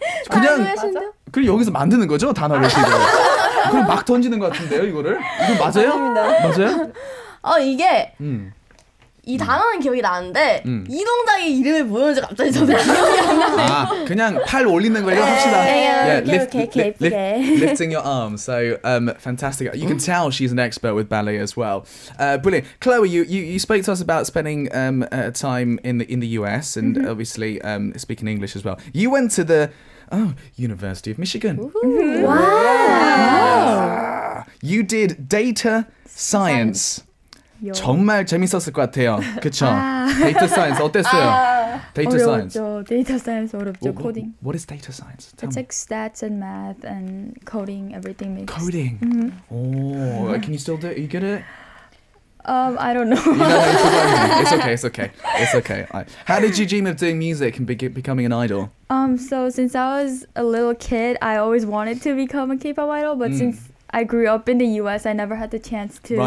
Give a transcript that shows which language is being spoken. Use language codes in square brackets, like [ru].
[ko] 그냥 그럼 여기서 만드는 거죠 단어를 그럼 막 던지는 것 같은데요 이거를 이거 맞아요 맞아요 어 이게 이 단어는 기억이 나는데 이 동작의 이름을 모르는지 갑자기 저도 기억이 안 나네요. 아, 그냥 팔 올리는 거예요. 합시다. [en] Lifting your arm. So fantastic. You can tell she's an expert with ballet as well. Brilliant. Chloe, you spoke to us about spending time in the US and obviously speaking English as well. You went to the University of Michigan. Ooh. Wow. You did data science. [ko] 정말 재밌었을 것 같아요. 그쵸? 아. 데이터 사이언스 어땠어요? 아. 데이터 사이언스. 데이터 사이언스 어렵죠. 코딩. [en] What is data science? It's like stats and math and coding, everything mixed. Coding? Mm-hmm. Oh, can you still do it? You get it? I don't know. It's okay. How did you dream of doing music and becoming an idol? So since I was a little kid, I always wanted to become a K-pop idol, but since I grew up in the US, I never had the chance to...